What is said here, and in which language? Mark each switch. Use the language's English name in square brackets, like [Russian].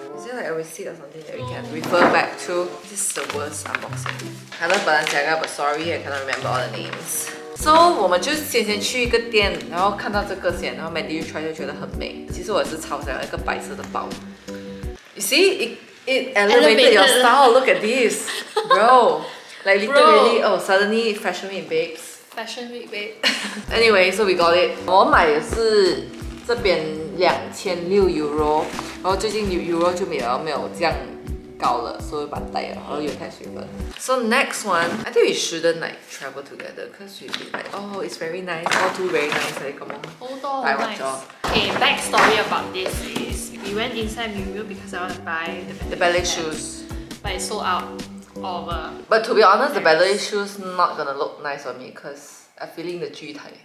[English] Is there like a receipt or something that we can refer back to? This is the worst unboxing. Hello Balenciaga, but sorry, I cannot remember all the names. [Chinese] So, 我们就先去一个店，然后看到这个先，然后 Mandy 就穿就觉得很美。其实我是超想要一个白色的包。 [English] You see, it elevated your style. Look at this, bro. Like literally, bro. Oh, suddenly Fashion Week babes. Fashion Week babe. Anyway, so we got it. [Chinese] 我买的是这边 €2,600, 然后最近 Euro 就没有这样高了, 所以把它带了，然后有太水分. [English] So next one, I think we shouldn't like travel together because we'd be like, oh, it's very nice, all two very nice, like, come on. Oh, nice. Okay, backstory about this is we went inside Miu because I want to buy the ballet shoes. But it sold out. But to be honest, the ballet shoes not gonna look nice on me because I'm feeling the G type.